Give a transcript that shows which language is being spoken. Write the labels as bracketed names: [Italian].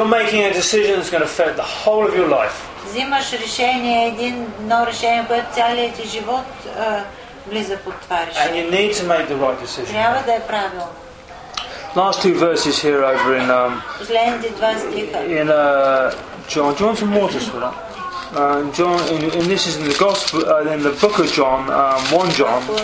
[English] You're making a decision that's going to affect the whole of your life. [Bulgarian] Взимаш решение, едно решение, което целият ти живот влиза под това решение. [English] And you need to make the right decision. [Bulgarian] Трябва да е правилно. [English] Last two verses here over in [Bulgarian] последните два стиха. [English] In John, John from Waters, right? John, and this is in the Gospel, in the Book of John, 1 John.